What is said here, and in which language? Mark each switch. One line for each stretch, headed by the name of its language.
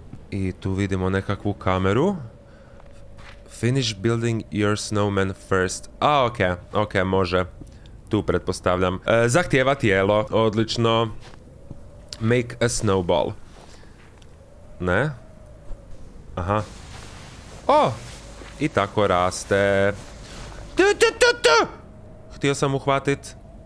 Croatian: I tu vidimo nekakvu kameru.
English: Finish building your snowman first.
Croatian: A, okej, okej, može. Tu pretpostavljam. Zahtjeva tijelo, odlično.
English: Make a snowball. Ne? Aha. O!
Croatian: I tako raste. Tu. Htio sam uhvatit.